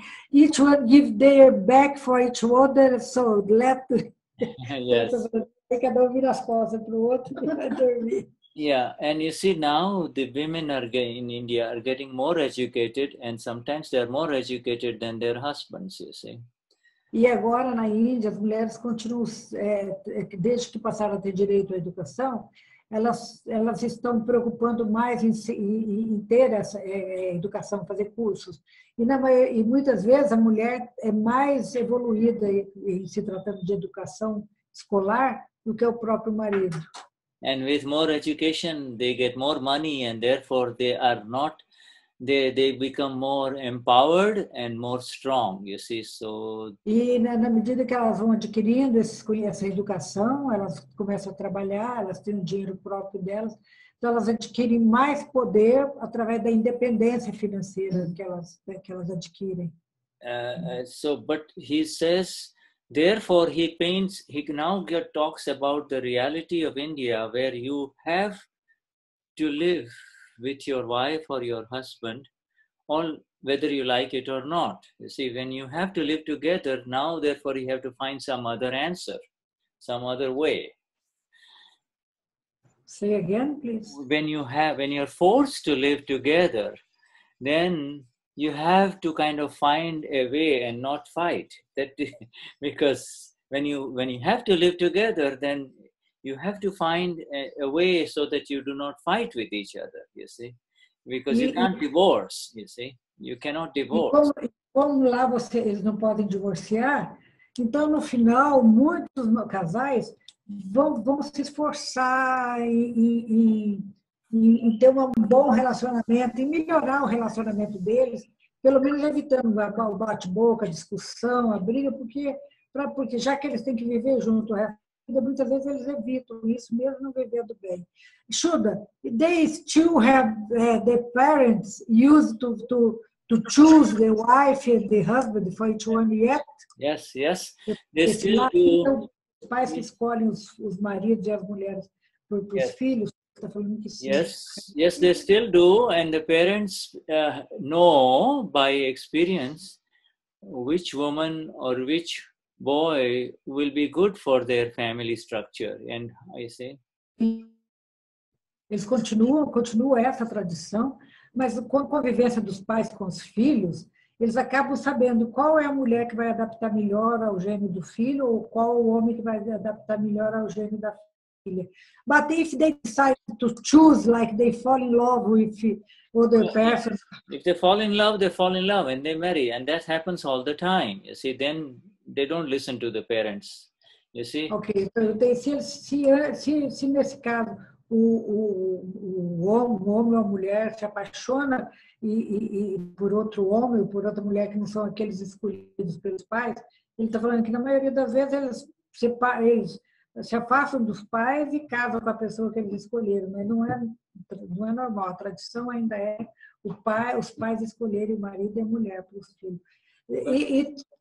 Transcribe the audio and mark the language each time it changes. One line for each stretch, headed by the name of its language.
English: each one give their back for each other, so let. Yes.
Portuguese: Cada um vira as costas para o outro e vai dormir.
English: Yeah, and you see now the women in India are getting more educated, and sometimes they are more educated than their husbands, you see.
Portuguese: E agora na Índia, as mulheres continuam, desde que passaram a ter direito à educação, elas estão preocupando mais em ter essa educação, fazer cursos. E muitas vezes a mulher é mais evoluída em se tratando de educação escolar do que o próprio marido.
English: And with more education, they get more money, and therefore they are not, they become more empowered and more strong, you see, so.
Portuguese: E na medida que elas vão adquirindo essa educação, elas começam a trabalhar, elas têm um dinheiro próprio delas, então elas adquirem mais poder através da independência financeira que elas adquirem.
English: But he says, therefore, he now talks about the reality of India, where you have to live with your wife or your husband, all whether you like it or not. You see, when you have to live together, now therefore you have to find some other answer, some other way. Say again, please. When you're forced to live together, then you have to kind of find a way and not fight. That because when you have to live together, then you have to find a way so that you do not fight with each other, you see. Because you can't divorce, you see. You cannot divorce.
Portuguese: Como lá vocês não podem divorciar, então no final muitos casais vão se esforçar em ter um bom relacionamento e melhorar o relacionamento deles, pelo menos evitando o bate-boca, a discussão, a briga, porque já que eles têm que viver junto o resto da vida, muitas vezes eles evitam isso mesmo não vivendo bem.
English: Shuddha, they still have the parents used to choose the wife and the husband for each one yet? Yes, yes. They still do.
Portuguese: Os pais que escolhem os maridos e as mulheres para os filhos. Está falando que sim.
English: Yes, yes, they still do. And the parents know by experience which woman or which boy will be good for their family structure. And I say.
Portuguese: Eles continua essa tradição. Mas com a convivência dos pais com os filhos, eles acabam sabendo qual é a mulher que vai adaptar melhor ao gênio do filho ou qual o homem que vai adaptar melhor ao gênio da filha.
English: But if they decide to choose, like they fall in love with other persons. If they fall in love, they fall in love and they marry. And that happens all the time. You see, then they don't listen to the parents. You see? Okay, so they
Portuguese: se nesse caso. O homem ou a mulher se apaixona e por outro homem ou por outra mulher que não são aqueles escolhidos pelos pais, ele está falando que na maioria das vezes eles se afastam dos pais e casam com a pessoa que eles escolheram, mas não é normal, a tradição ainda é os pais escolherem o marido e a mulher para os filhos.